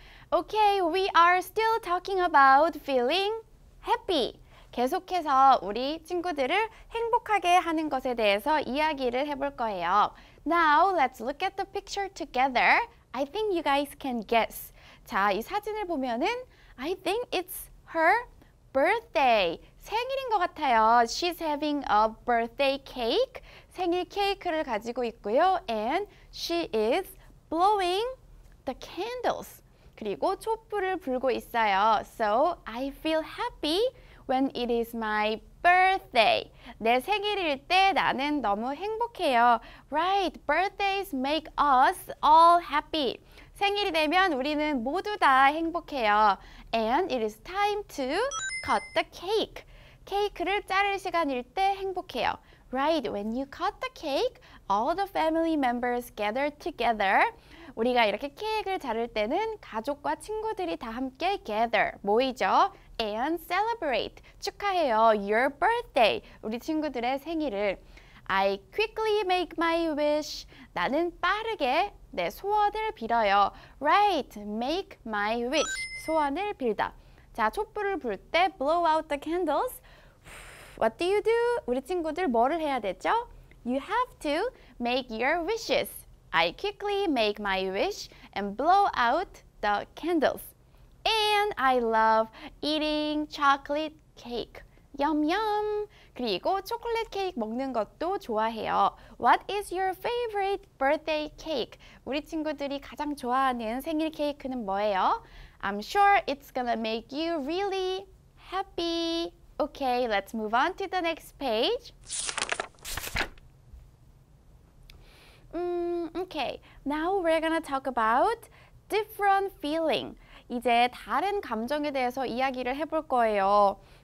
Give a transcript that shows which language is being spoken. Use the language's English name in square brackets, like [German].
[English] Okay, we are still talking about feeling happy. [Korean] 계속해서 우리 친구들을 행복하게 하는 것에 대해서 이야기를 해볼 거예요. [English] Now, let's look at the picture together. I think you guys can guess. [Korean] 자, 이 사진을 보면은 [English] I think it's her birthday. [Korean] 생일인 것 같아요. [English] She's having a birthday cake. [Korean] 생일 케이크를 가지고 있고요. [English] And she is blowing the candles. [Korean] 그리고 촛불을 불고 있어요. [English] So, I feel happy when it is my birthday. [Korean] 내 생일일 때 나는 너무 행복해요. [English] Right, birthdays make us all happy. [Korean] 생일이 되면 우리는 모두 다 행복해요. [English] And it is time to cut the cake. [Korean] 케이크를 자를 시간일 때 행복해요. [English] Right, when you cut the cake, all the family members gather together. [Korean] 우리가 이렇게 케이크를 자를 때는 가족과 친구들이 다 함께 gather, 모이죠. [English] And celebrate, [Korean] 축하해요. [English] Your birthday, [Korean] 우리 친구들의 생일을. [English] I quickly make my wish. [Korean] 나는 빠르게 내 소원을 빌어요. [English] Right, make my wish, [Korean] 소원을 빌다. 자, 촛불을 불 때 [English] blow out the candles. What do you do? [Korean] 우리 친구들 뭐를 해야 되죠? [English] You have to make your wishes. I quickly make my wish and blow out the candles. And I love eating chocolate cake. Yum yum. [Korean] 그리고 초콜릿 케이크 먹는 것도 좋아해요. [English] What is your favorite birthday cake? [Korean] 우리 친구들이 가장 좋아하는 생일 케이크는 뭐예요? [English] I'm sure it's gonna make you really happy. Okay, let's move on to the next page. Okay, now we're gonna talk about different feeling. [Korean] 이제 다른 감정에 대해서 이야기를 해볼 거예요.